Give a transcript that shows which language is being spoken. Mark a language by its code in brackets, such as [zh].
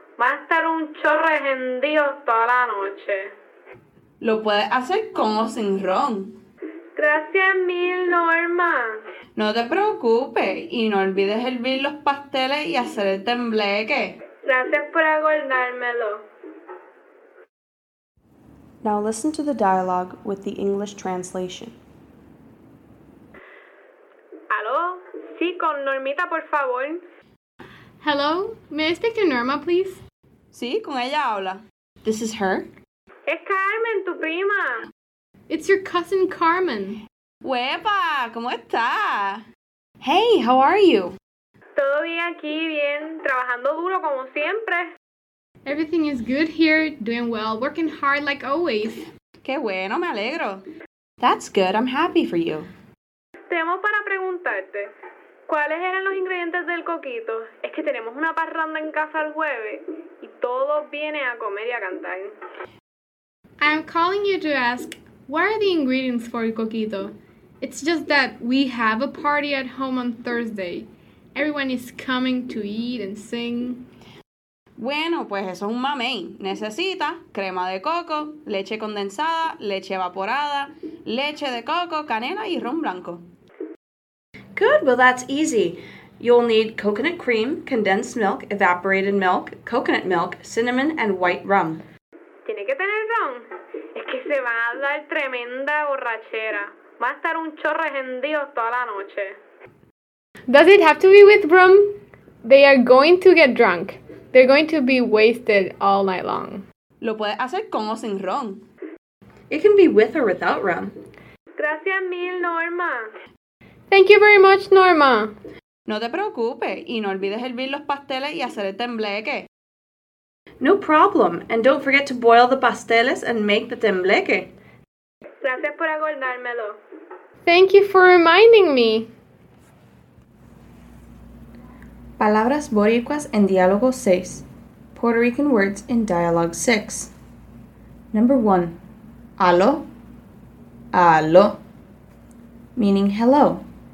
[es] Va a estar un chorro encendido toda la noche. Lo puedes hacer con o sin ron. Gracias mil, Norma. No te preocupes y no olvides hervir los pasteles y hacer el tembleque. Gracias por aguardármelo. [en] Now listen to the dialogue with the English translation. [es] ¿Aló? Sí, con Normita, por favor. [en] Hello, may I speak to Norma, please? [es] Sí, con ella habla. [en] This is her. [es] Es Carmen, tu prima. [en] It's your cousin Carmen. [es] ¡Huepa! ¿Cómo está? [en] Hey, how are you? [es] Todo bien aquí, bien. Trabajando duro como siempre. [en] Everything is good here, doing well, working hard like always. [es] Qué bueno, me alegro. [en] That's good, I'm happy for you. [es] Tenemos para preguntarte, ¿cuáles eran los ingredientes del coquito? Es que tenemos una parranda en casa el jueves y todos vienen a comer y a cantar. [en] I'm calling you to ask, what are the ingredients for el coquito? It's just that we have a party at home on Thursday. Everyone is coming to eat and sing. [es] Bueno, pues eso es un mamey. Necesita crema de coco, leche condensada, leche evaporada, leche de coco, canela y ron blanco. [en] Good, well that's easy. You'll need coconut cream, condensed milk, evaporated milk, coconut milk, cinnamon, and white rum. [es] Tiene que tener ron. Es que se va a dar tremenda borrachera. Va a estar un chorro gendido toda la noche. [en] Does it have to be with rum? They are going to get drunk. They're going to be wasted all night long. [es] Lo puedes hacer con o sin ron. [en] It can be with or without rum. [es] Gracias mil, Norma. [en] Thank you very much, Norma. [es] No te preocupes y no olvides hervir los pasteles y hacer el tembleque. [en] No problem. And don't forget to boil the pasteles and make the tembleque. [es] Gracias por acordármelo. [en] Thank you for reminding me. [es] Palabras boricuas en diálogo 6. [en] Puerto Rican words in dialogue 6. Number 1. Alo. Alo. Meaning hello.